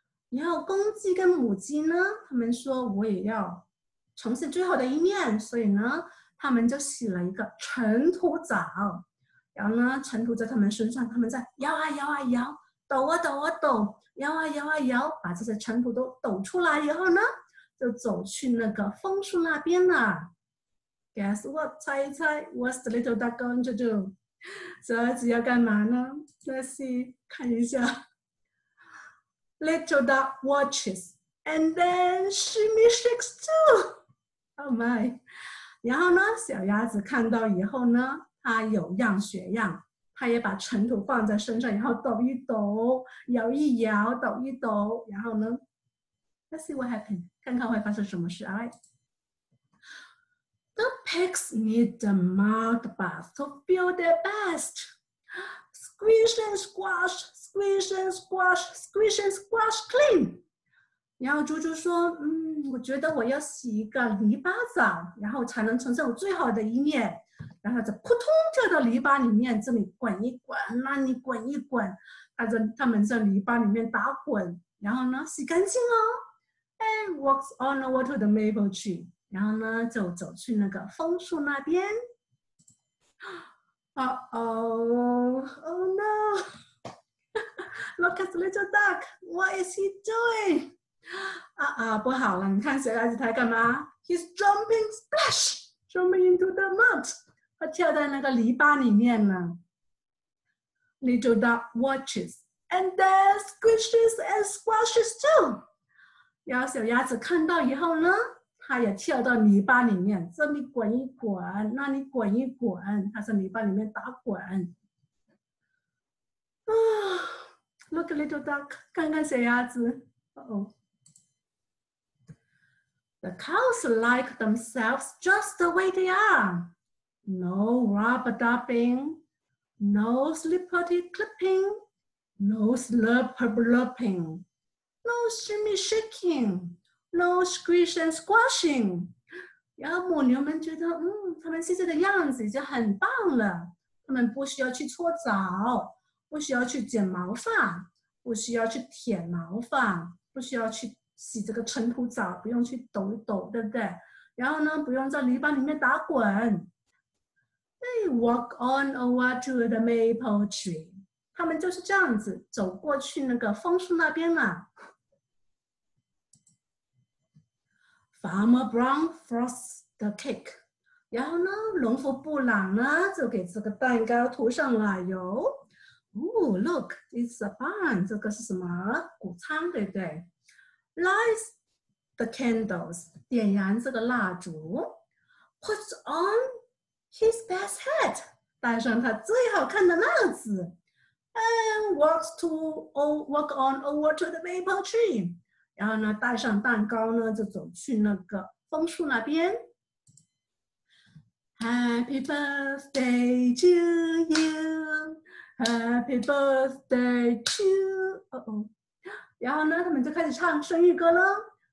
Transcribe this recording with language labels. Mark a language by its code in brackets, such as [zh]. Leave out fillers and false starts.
[zh] 然后公鸡跟母鸡呢，他们说我也要呈现最好的一面，所以呢，他们就洗了一个尘土澡。然后呢，尘土在他们身上，他们在摇啊摇啊摇，抖啊抖啊抖。摇啊摇啊摇，把这些尘土都抖出来以后呢，就走去那个枫树那边了。 [en] Guess what? [zh] 猜一猜 ， [en] What's the little duck going to do? [zh] 小鸭子要干嘛呢 ？ [en] Let's see， [zh] 看一下。 [en] Little duck watches, and then shimmy shakes too. Oh my! [zh] 然后呢，小鸭子看到以后呢，它有样学样。他也把尘土放在身上，然后抖一抖，摇一摇，抖一抖，然后呢 ， [en] Let's see what happened， [zh] 看看会发生什么事。 [en] All right. The pigs need the mud bath to feel their best. Squish and squash, squish and squash, squish and squash clean. [zh] 然后猪猪说，我觉得我要洗一个泥巴澡，然后才能呈现我最好的一面。然后他就扑通跳到泥巴里面，这里滚一滚，那里滚一滚，他们在泥巴里面打滚，然后呢洗干净哦 ， [en] and walks on over to the maple tree， [zh] 然后呢就走去那个枫树那边。 [en] Oh no! Look at the little duck. What is he doing? [zh] 不好了！你看小鸭子他干嘛 ？ [en] He's jumping, splash, jumping into the mud. [zh] 他跳在那个泥巴里面了。 [en] Little duck watches, and then squishes and squashes too. [zh] 然后小鸭子看到以后呢，他也跳到泥巴里面，这里滚一滚，那里滚一滚，他在泥巴里面打滚。 [en] Look little duck, [zh] 看看小鸭子。 [en] The cows like themselves just the way they are. No rub-a-dubbing, no slippity-clipping, no slurp-a-blurping, no shimmy-shaking, no squish and squashing. [zh] 然后母牛们觉得，他们现在的样子已经很棒了。他们不需要去搓澡，不需要去剪毛发，不需要去舔毛发，不需要去洗这个尘土澡，不用去抖一抖，对不对？然后呢，不用在泥巴里面打滚。 [en] They walk on over to the maple tree. [zh] 他们就是这样子走过去那个枫树那边了。 [en] Farmer Brown frosts the cake. [zh] 然后呢，农夫布朗呢就给这个蛋糕涂上奶油。 [en] Oh, look, it's a bun. [zh] 这个是什么？谷仓，对不对？ [en] Lights the candles. [zh] 点燃这个蜡烛。 [en] Puts on his best hat. [zh] 戴上他最好看的帽子。 [en] And walk on over to the maple tree. [zh] 然后呢，带上蛋糕呢，就走去那个枫树那边。 [en] Happy birthday to you, happy birthday to, [zh] 然后呢，他们就开始唱生日歌了。